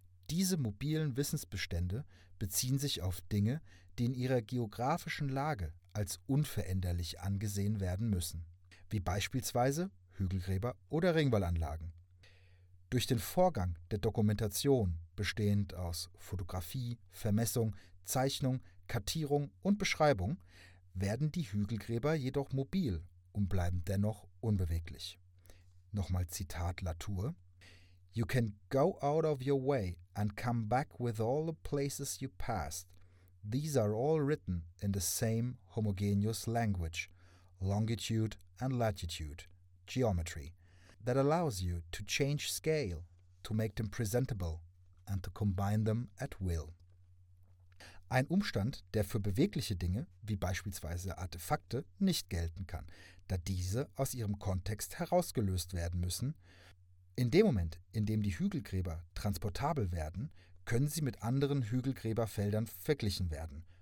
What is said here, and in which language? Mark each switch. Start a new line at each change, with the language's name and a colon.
German: Diese mobilen Wissensbestände beziehen sich auf Dinge, die in ihrer geografischen Lage als unveränderlich angesehen werden müssen, wie beispielsweise Hügelgräber oder Ringwallanlagen. Durch den Vorgang der Dokumentation, bestehend aus Fotografie, Vermessung, Zeichnung, Kartierung und Beschreibung, werden die Hügelgräber jedoch mobil und bleiben dennoch unbeweglich. Nochmal Zitat Latour:
English: "You can go out of your way and come back with all the places you passed. These are all written in the same homogeneous language, longitude and latitude, geometry, that allows you to change scale, to make them presentable and to combine them at will."
German: Ein Umstand, der für bewegliche Dinge, wie beispielsweise Artefakte, nicht gelten kann, da diese aus ihrem Kontext herausgelöst werden müssen. In dem Moment, in dem die Hügelgräber transportabel werden, können sie mit anderen Hügelgräberfeldern verglichen werden.